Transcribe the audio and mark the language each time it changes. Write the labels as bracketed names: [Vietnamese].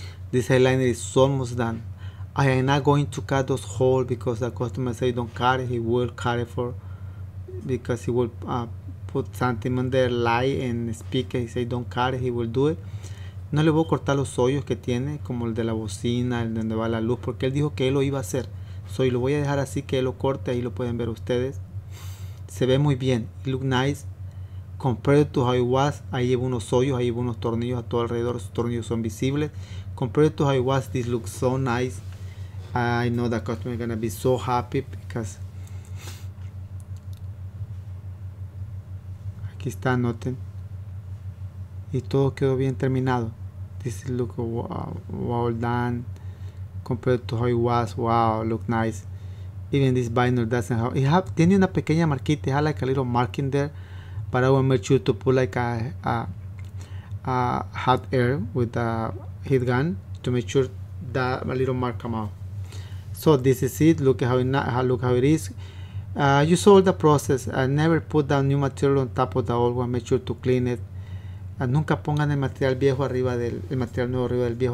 [English] This headliner is almost done. I am not going to cut those holes because the customer say don't cut it. He will cut it because he will put something on there, light and speaker. He say don't cut it, he will do it. [Spanish] No le voy a cortar los hoyos que tiene, como el de la bocina, el donde va la luz, porque él dijo que él lo iba a hacer. So, lo voy a dejar así que él lo corte, ahí lo pueden ver ustedes. Se ve muy bien, [English] it look nice. Compared to how it was, [Spanish] ahí lleva unos hoyos, ahí lleva unos tornillos a todo alrededor, esos tornillos son visibles. [English] Compared to how it was, this looks so nice. I know the customer is going to be so happy because... [Spanish] Aquí está, noten. Y todo quedó bien terminado. [English] This look well done compared to how it was. Wow, look nice. Even this vinyl doesn't have. It have [Spanish] tiene una pequeña marquita. [English] It has like a little mark in there. But I will make sure to put like a hot air with a heat gun to make sure that a little mark come out. So this is it. Look at how it is. You saw the process. I never put the new material on top of the old one. Make sure to clean it. [Spanish] Nunca pongan el material viejo arriba del el material nuevo arriba del viejo.